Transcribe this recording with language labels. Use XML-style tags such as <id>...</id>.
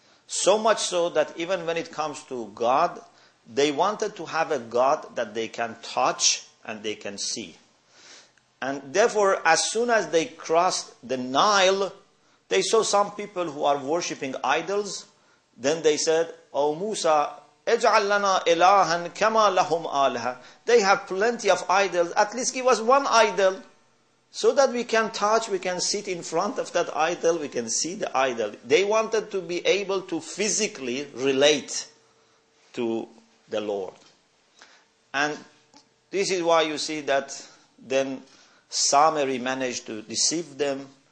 <en>So much so that even when it comes to God, they wanted to have a God that they can touch and they can see. And therefore, as soon as they crossed the Nile, they saw some people who are worshipping idols. Then they said, O Musa,</en> <ar>اجعل لنا إلها كما لهم آلهة.</ar> <en>They have plenty of idols. At least give us one idol, so that we can touch, we can sit in front of that idol, we can see the idol. They wanted to be able to physically relate to the Lord. And This is why you see that then Samiri managed to deceive them.</en>